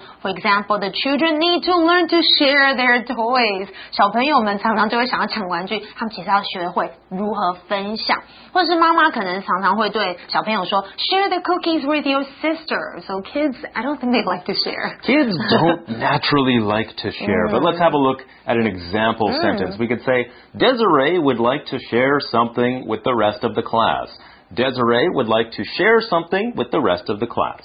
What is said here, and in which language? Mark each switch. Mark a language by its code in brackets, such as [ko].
[en] For example, the children need to learn to share their toys. [zh] 小朋友们常常就会想要抢玩具，他们其实要学会如何分享。或者是妈妈可能常常会对小朋友说 ， [en] share the cookies with your sister. So kids, I don't think they like to share. Kids don't naturally like to share. But let's have a look at an example sentence. We could say Desiree would like to share something with the rest of the class. Desiree would like to share something with the rest of the class.